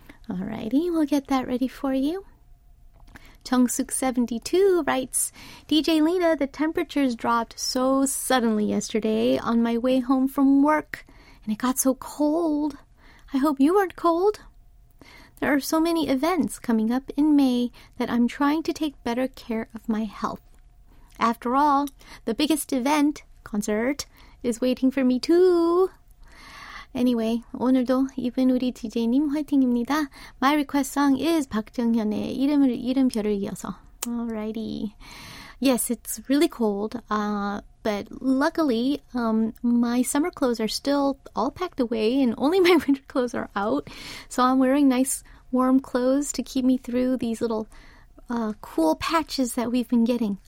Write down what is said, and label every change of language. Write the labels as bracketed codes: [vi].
[en] Alrighty, we'll get that ready for you. Chungsuk 72 writes, DJ Lena, the temperatures dropped so suddenly yesterday on my way home from work, and it got so cold. I hope you weren't cold. There are so many events coming up in May that I'm trying to take better care of my health. After all, the biggest event, concert, is waiting for me too. [ko] Anyway, 오늘도 이쁜 우리 DJ님 화이팅입니다. [en] My request song is [ko] 박정현의 이름별을 이어서. [en] Alrighty. Yes, it's really cold, but luckily my summer clothes are still all packed away and only my winter clothes are out. So I'm wearing nice warm clothes to keep me through these little cool patches that we've been getting.